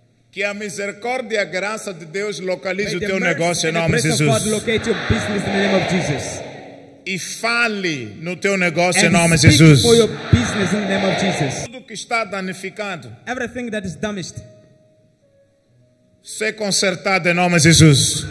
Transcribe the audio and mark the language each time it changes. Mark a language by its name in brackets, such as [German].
[Portuguese] Que a misericórdia e a graça de Deus localize o teu negócio em nome de Jesus. [English] God locate your business in the name of Jesus. [Portuguese] E fale no teu negócio [English] and [Portuguese] em nome de Jesus. [English] For your business in the name of Jesus. [Portuguese] Tudo que está danificado. [English] Everything that is damaged. [Portuguese] Seja consertado em nome de Jesus.